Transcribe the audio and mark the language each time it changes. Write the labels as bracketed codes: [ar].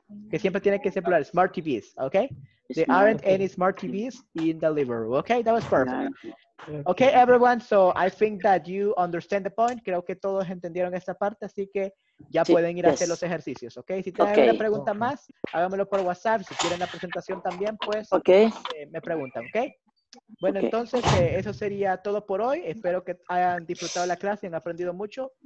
[es] Que siempre tiene que ser plural, smart TVs, okay? [en] There aren't any smart TVs in the living room, okay? That was perfect. Okay, everyone, so I think that you understand the point. [es] Creo que todos entendieron esta parte, así que ya pueden ir a hacer los ejercicios, okay? Si tienen alguna pregunta más, hágamelo por WhatsApp. Si quieren la presentación también, pues me preguntan, okay? Bueno, entonces, eso sería todo por hoy. Espero que hayan disfrutado la clase, han aprendido mucho.